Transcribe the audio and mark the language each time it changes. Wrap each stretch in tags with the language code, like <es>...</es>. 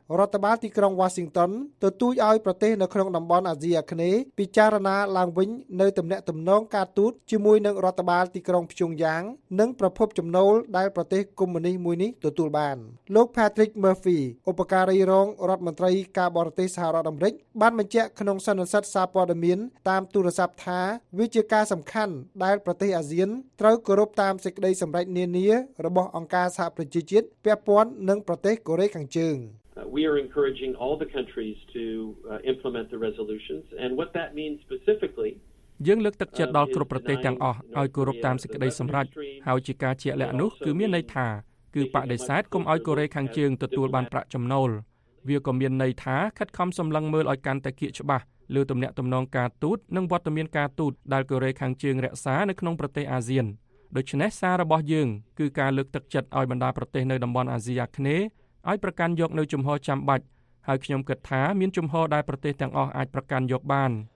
<km>រដ្ឋបាលទីក្រុង Washington ទទូចឲ្យប្រទេសនៅក្នុងតំបន់អាស៊ីអាគ្នេយ៍ពិចារណាឡើងវិញនូវទំនាក់ទំនងការទូតជាមួយនឹងរដ្ឋបាលទីក្រុងព្យុងយ៉ាងនិងប្រភពចំណូលដែលប្រទេសកុម្មុយនីសមួយនេះទទួលបានលោក Patrick Murphy ឧបការីរងរដ្ឋមន្ត្រីការបរទេសសហរដ្ឋអាមេរិកបានបញ្ជាក់ក្នុងសន្និសីទសារព័ត៌មានតាមទូរស័ព្ទថាវាជាការសំខាន់ដែលប្រទេសអាស៊ានត្រូវគោរពតាមសេចក្តីសម្រេចនានាារបស់អង្គការសហប្រជាជាតិពាក់ព័ន្ធនឹងប្រទេសកូរ៉េខាងជើង</km> <en>We are encouraging all the countries to implement the resolutions and what that means specifically</en> <km>យើងលើកទឹកចិត្តដល់គ្រប់ប្រទេសទាំងអស់ឲ្យគោរពតាមសេចក្តីសម្រេចហើយជាការជាក់លាក់នោះគឺមានន័យថាគឺបដិសេធកុំឲ្យកូរ៉េខាងជើងទទួលបានប្រាក់ចំណូលវាក៏មានន័យថាខិតខំសម្លឹងមើលឲ្យកាន់តែគៀកច្បាស់លើទំនាក់ទំនងការទូតនិងវត្តមានការទូតដែលកូរ៉េខាងជើងរក្សានៅក្នុងប្រទេសអាស៊ានដូច្នេះសាររបស់យើងគឺការលើកទឹកចិត្តឲ្យបណ្ដាប្រទេសនៅតំបន់អាស៊ីអាគ្នេយ៍ឲ្យប្រកាន់យកនូវជំហរចាំបាច់ហើយខ្ញុំគិតថាមានជំហរដែលប្រទេសទាំងអស់អាចប្រកាន់យកបាន</km>